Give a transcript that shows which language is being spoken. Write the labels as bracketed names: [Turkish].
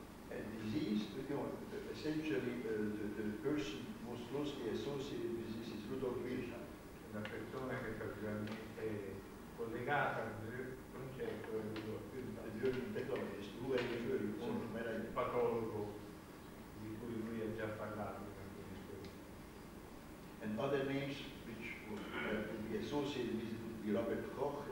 [English] And disease, essentially the person most closely associated with this is Rudolf Virchow. [Italian] La persona che praticamente è collegata al concetto è Rudolf [English] Virchow. The German pathologist, [Italian] un patologo di cui lui ha già parlato. [English] And other names which would be associated with it would be Robert Koch.